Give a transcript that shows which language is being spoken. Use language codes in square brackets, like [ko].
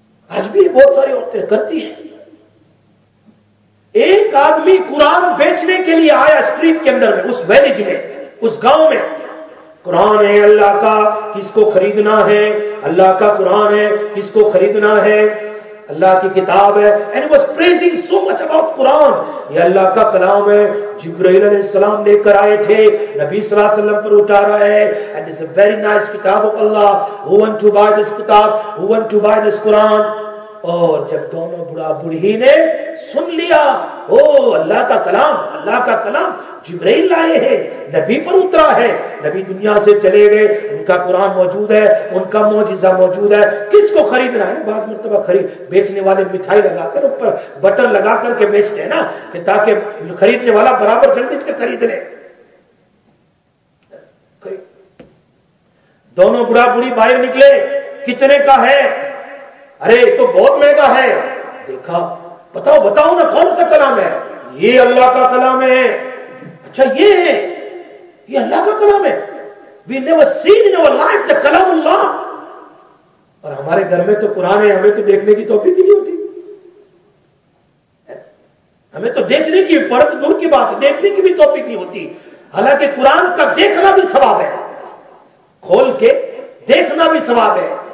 [ur] آج بھی بہت ساری عورتیں کرتی ہیں. ایک آدمی قرآن بیچنے کے لیے آیا اسٹریٹ کے اندر میں, اس ویلیج میں, اس گاؤں میں. قرآن ہے اللہ کا, کس کو خریدنا ہے؟ اللہ کا قرآن ہے, کس کو خریدنا ہے؟ اللہ کی کتاب ہے. [en] And he was praising so much about Quran. [ur] یہ اللہ کا کلام ہے, جبرائیل علیہ السلام لے کر آئے تھے, نبی صلی اللہ علیہ وسلم پر اٹھا رہا ہے. [en] And it's a very nice kitab of Allah. Who want to buy this kitab? Who want to buy this Quran? [ur] اور جب دونوں بڑا بڑھی نے سن لیا, اللہ کا کلام, اللہ کا کلام, جبرائیل لائے ہیں, نبی پر اترا ہے, نبی دنیا سے چلے گئے, ان کا قرآن موجود ہے, ان کا معجزہ موجود ہے, کس کو خریدنا ہے؟ بعض مرتبہ خرید بیچنے والے مٹھائی لگا کر اوپر بٹر لگا کر کے بیچتے ہیں نا, کہ تاکہ خریدنے والا برابر جلدی سے خرید لے. دونوں بڑا بڑھی باہر نکلے, کتنے کا ہے؟ ارے تو بہت مہنگا ہے. دیکھا, بتاؤ نا کون سا کلام ہے؟ یہ اللہ کا کلام ہے. اچھا یہ ہے, یہ اللہ کا کلام ہے. [en] We never seen in our life the kalam Allah. [ur] اور ہمارے گھر میں تو قرآن ہے, ہمیں تو دیکھنے کی توفیق ہی نہیں ہوتی. ہمیں تو دیکھنے کی فرق دور کی بات ہے, دیکھنے کی بھی توفیق نہیں ہوتی, حالانکہ قرآن کا دیکھنا بھی ثواب ہے, کھول کے دیکھنا بھی ثواب ہے.